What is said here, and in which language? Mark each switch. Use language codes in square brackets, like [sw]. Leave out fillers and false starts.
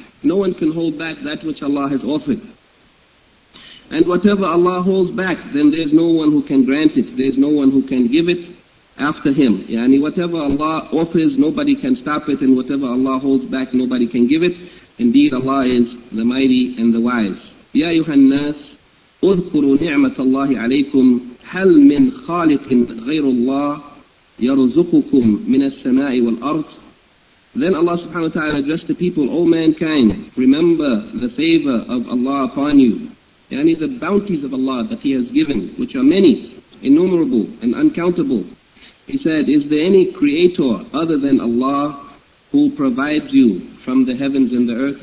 [en] No one can hold back that which Allah has offered. And whatever Allah holds back, then there's no one who can grant it. There's no one who can give it after him. Yani whatever Allah offers, nobody can stop it. And whatever Allah holds back, nobody can give it. Indeed, Allah is the mighty and the wise. [ar] Ya yuhannas, udhkuru ni'matallahi alaykum. هل من خالق غير الله يرزقكم من السماء والأرض. [en] Then Allah subhanahu wa ta'ala addressed the people, O mankind, remember the favor of Allah upon you. Yani the bounties of Allah that He has given, which are many, innumerable and uncountable. He said, is there any creator other than Allah who provides you from the heavens and the earth?